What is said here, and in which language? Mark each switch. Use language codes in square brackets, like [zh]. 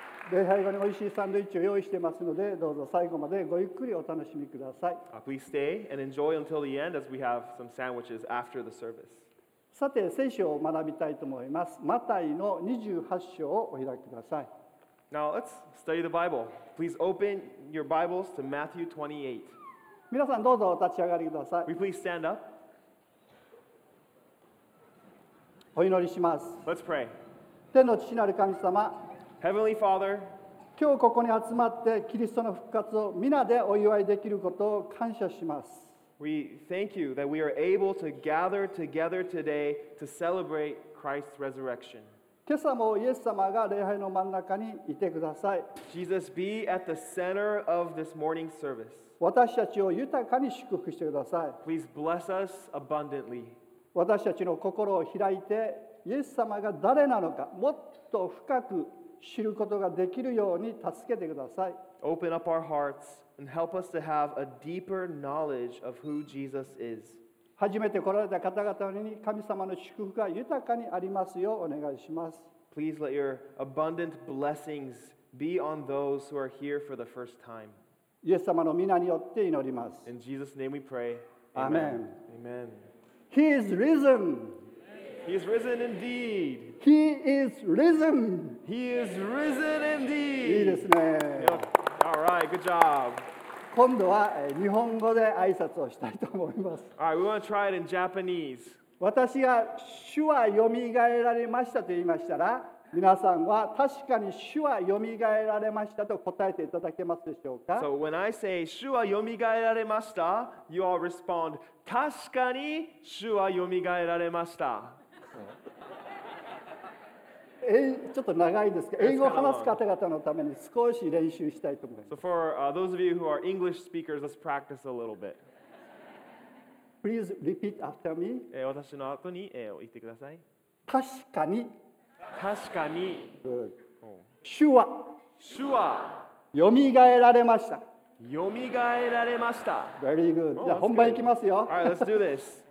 [ja] 礼拝後に美味しいサンドイッチを用意していますので、どうぞ最後までごゆっくりお楽しみください。 [en] Please stay and enjoy until the end as we have some sandwiches after the service. [ja] さて、聖書を学びたいと思います。マタイの28章をお開きください。 [en] Now let's study the Bible. Please open your Bibles to Matthew 28. [ja] 皆さんどうぞお立ち上がりください。 [en] We please stand up. [ja] お祈りします。 [en] Let's pray. [ja] 天の父なる神様、 [en] Heavenly Father, [ja] 今日ここに集まってキリストの復活を皆でお祝いできることを感謝します。 [en] We thank you that we are able to gather together today to celebrate Christ's resurrection. [ja] 今朝もイエス様が礼拝の真ん中にいてください。 [en] Jesus, be at the center of this morning service. [ja] 私たちを豊かに祝福してください。 [en] Please bless us abundantly. [ja] 私たちの心を開いてイエス様が誰なのかもっと深く知ることができるように助けてください。 [en] Open up our hearts and help us to have a deeper knowledge of who Jesus is. [ja] 初めて来られた方々に神様の祝福が豊かにありますようお願いします。 [en] Please let your abundant blessings be on those who are here for the first time. [ja] イエス様の御名によって祈ります。 [en] In Jesus' name we pray. Amen. Amen. He is risen. He is risen indeed. He is risen. He is risen indeed. [ja] いいですね。 [en] All right, good job. [ja] 今度は日本語で挨拶をしたいと思います。 [en] All right, we want to try it in Japanese. [ja] 私が主は蘇られましたと言いましたら、皆さんは確かに主は蘇られましたと答えていただけますでしょうか。 [en] So when I say [ja] 主は蘇られました、 [en] you all respond. [ja] 確かに主はよみがえられました。ちょっと長いですけど、英語を話す方々のために少し練習したいと思います。 [en] So for those of you who are English speakers, let's practice a little bit. Please repeat after me. [ja] 私の後に言ってください。確かに。確かに。主は。主は。よみがえられました。よみがえられました。 [en] Very good. [ja] じゃあ本番いきますよ。 [en] All right, let's do this.